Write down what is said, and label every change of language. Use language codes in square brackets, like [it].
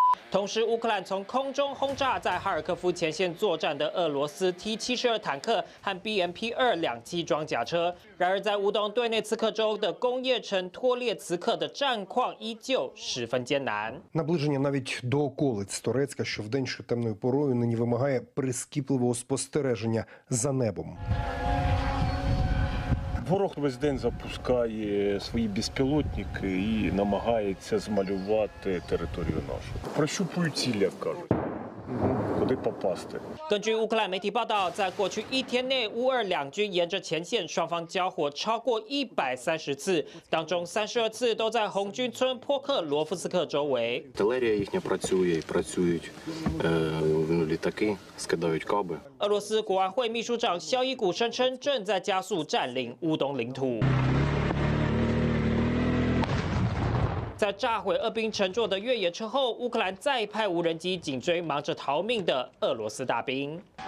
[zh] 同时，乌克兰从空中轰炸在哈尔科夫前线作战的俄罗斯 T-72 坦克和 BMP-2 两栖装甲车。然而，在乌东顿内茨克州的工业城托列茨克的战况依旧十分艰难。 [uk] Наближення навіть до околиць Торецька, що в день штемною порою нині вимагає прискіпливого спостереження за небом. Ворог весь день запускає свої безпілотники і намагається змалювати територію нашу. Прощупують ціль, як кажуть. Куди попасти? [zh] 根据乌克兰媒体报道，在过去一天内，乌俄两军沿着前线双方交火超过130次，当中32次都在红军村波克罗夫斯克周围。 [uk] Артилерія їхня працює і працюють літаки, скидають каби. [zh] 俄罗斯国安会秘书长肖伊古声称，正在加速占领乌东领土。在炸毁俄兵乘坐的越野车后，乌克兰再派无人机紧追忙着逃命的俄罗斯大兵。